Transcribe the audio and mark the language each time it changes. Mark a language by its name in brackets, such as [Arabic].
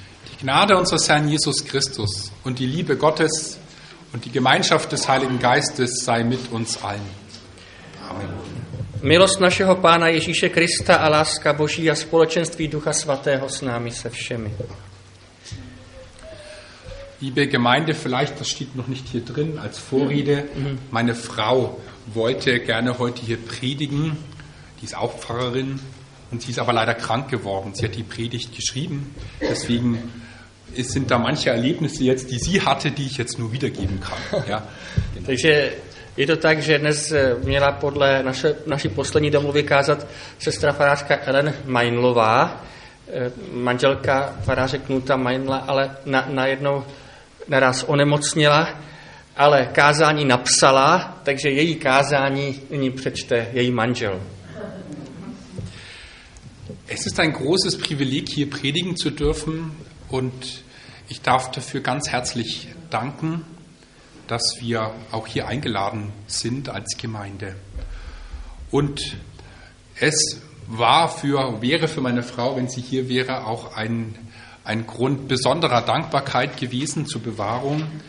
[German] Die Gnade unseres Herrn Jesus Christus und die Liebe Gottes und die Gemeinschaft des Heiligen Geistes sei mit uns allen. Amen. [Czech] Milost našeho Pána Ježíše Krista a láska Boží a společenství Ducha Svatého s námi se všemi. [German] Liebe Gemeinde, vielleicht das steht noch nicht hier drin als Vorrede. Meine Frau wollte gerne heute hier predigen. Die ist auch Pfarrerin und sie ist aber leider krank geworden. Sie hat die Predigt geschrieben. Deswegen sind da manche Erlebnisse jetzt, die sie hatte, die ich jetzt nur wiedergeben kann. Ja. [Czech] Takže je to tak, že dnes měla podle naší poslední domluvy kázat sestra farářka Ellen Meinlová, manželka faráře Knuta Meinla, ale najednou naraz onemocněla, ale kázání napsala, takže její kázání nyní přečte její manžel. [German] Es ist ein großes Privileg, hier predigen zu dürfen und ich darf dafür ganz herzlich danken, dass wir auch hier eingeladen sind als Gemeinde. Und es wäre für meine Frau, wenn sie hier wäre, auch ein Grund besonderer Dankbarkeit gewesen zur Bewahrung.